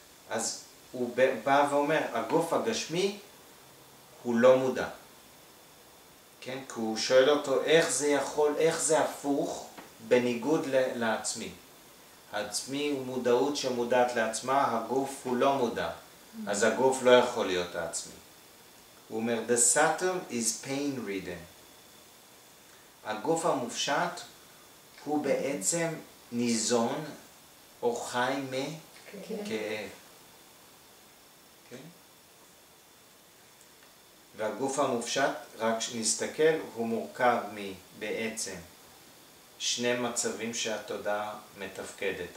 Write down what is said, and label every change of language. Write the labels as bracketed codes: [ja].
[he] אז הוא בא ואומר, הגוף הגשמי הוא לא מודע. כן? כי הוא שואל אותו, איך זה יכול, איך זה הפוך בניגוד לעצמי. העצמי הוא מודעות שמודעת לעצמה, הגוף הוא לא מודע. אז הגוף לא יכול להיות העצמי. הוא אומר, [en] the subtle is pain ridden. [he] הגוף המופשט הוא בעצם ניזון או חי מכאב. והגוף המופשט, רק נסתכל, הוא מורכב מבעצם שני מצבים שהתודעה מתפקדת.